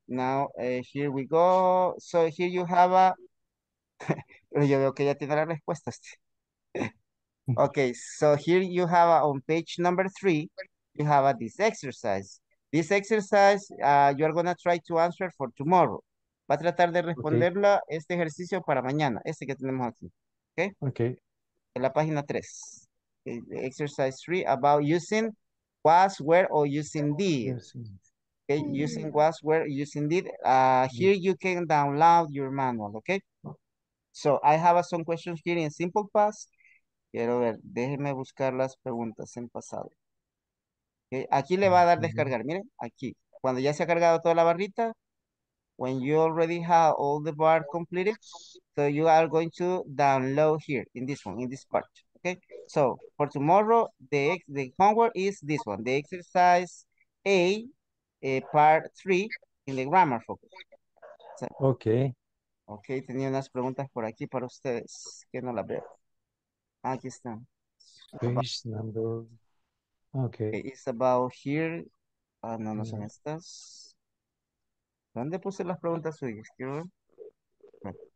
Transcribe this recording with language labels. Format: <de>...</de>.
<en>Now here we go. So here you have a</en> <es>pero yo veo que ya tiene las respuestas.</es> <en>Okay, so here you have on page number 3, you have this exercise. This exercise, you are going to try to answer for tomorrow.</en> <es>Va a tratar de responderla este ejercicio para mañana, este que tenemos aquí.</es> <en>Okay? Okay.</en> <es>En la página 3.</es> <en>Okay, exercise 3 about using was, were, or using did. Okay, using was, were, using did. Here you can download your manual, okay? So, I have some questions here in simple past.</en> <es>Quiero ver, déjeme buscar las preguntas en pasado. Okay, aquí le va a dar descargar, miren, aquí. Cuando ya se ha cargado toda la barrita,</es> <en>when you already have all the bar completed, so you are going to download here, in this one, in this part. Okay, so, for tomorrow, the homework is this one, the exercise A, part 3, in the grammar focus. So, okay.</en> <es>Ok, tenía unas preguntas por aquí para ustedes, que no las veo. Aquí están.</es> <en>Page number. Okay. It's about here.</en> <es>No son estas. ¿Dónde puse las preguntas suyas? Quiero ver.</es>